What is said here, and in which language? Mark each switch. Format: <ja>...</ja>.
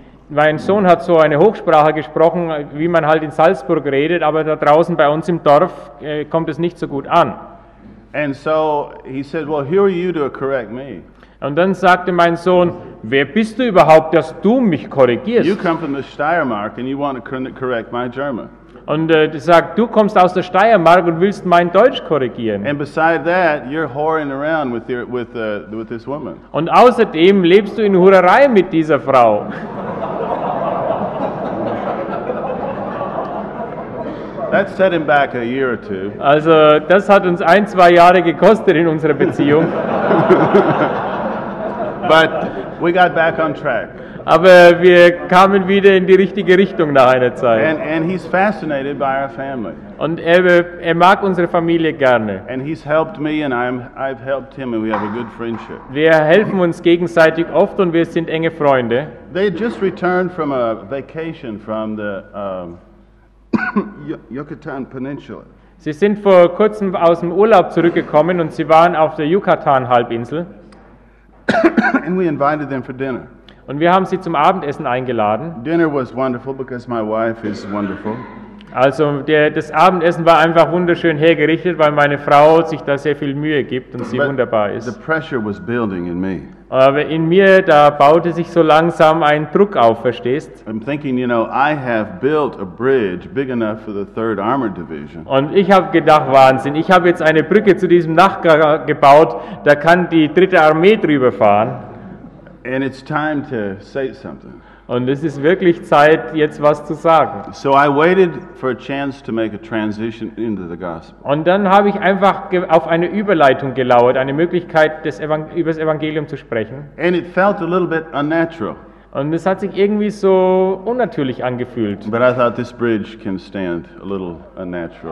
<de>Mein Sohn hat so eine Hochsprache gesprochen, wie man halt in Salzburg redet, aber da draußen bei uns im Dorf kommt es nicht so gut an.</de> <en>And so he said, well, who are you to correct me?</en> <de>Und dann sagte mein Sohn, wer bist du überhaupt, dass du mich korrigierst?</de> <en>You come from the Steiermark and you want to correct my German.</en> <de>Und er sagt, du kommst aus der Steiermark und willst mein Deutsch korrigieren.</de> <en>And beside that, you're whoring around with this woman.</en> <de>Und außerdem lebst du in Hurerei mit dieser Frau.</de> <en>That set him back a year or two.</en> <de>Also, das hat uns ein, zwei Jahre gekostet in unserer Beziehung.</de> <en>But we got back on track.</en> <de>Aber wir kamen wieder in die richtige Richtung nach einer Zeit.</de> <en>And he's fascinated by our family.</en> <de>Und er mag unsere Familie gerne.</de> <en>And he's helped me and I've helped him and we have a good friendship.</en> <de>Wir helfen uns gegenseitig oft und wir sind enge Freunde.</de> <en>They just returned from a vacation from the Yucatan Peninsula.</en> <de>Sie sind vor kurzem aus dem Urlaub zurückgekommen und sie waren auf der Yucatan-Halbinsel.</de> <en>And we invited them for dinner.</en> <de>Und wir haben sie zum Abendessen eingeladen.</de> <en>Dinner was wonderful because my wife is wonderful.</en> <de>Also das Abendessen war einfach wunderschön hergerichtet, weil meine Frau sich da sehr viel Mühe gibt und sie wunderbar ist.</de> <en>The pressure was building in me.</en> <de>Aber in mir, da baute sich so langsam ein Druck auf, verstehst?</de> <en>I'm thinking, you know, I have built a bridge big enough for the 3rd Armored Division.</en> <de>Und ich habe gedacht, Wahnsinn, ich habe jetzt eine Brücke zu diesem Nachbar gebaut, da kann die 3. Armee drüber fahren.</de> <en>And it's time to say something.</en> <de>Und es ist wirklich Zeit, jetzt was zu sagen.</de> <en>So I waited for a chance to make a transition into the gospel.</en> <de>Und dann habe ich einfach auf eine Überleitung gelauert, eine Möglichkeit, über das Evangelium zu sprechen.</de> <en>And it felt a little bit unnatural.</en> <de>Und es hat sich irgendwie so unnatürlich angefühlt.</de> <en>But I thought this bridge can stand a little unnatural.</en>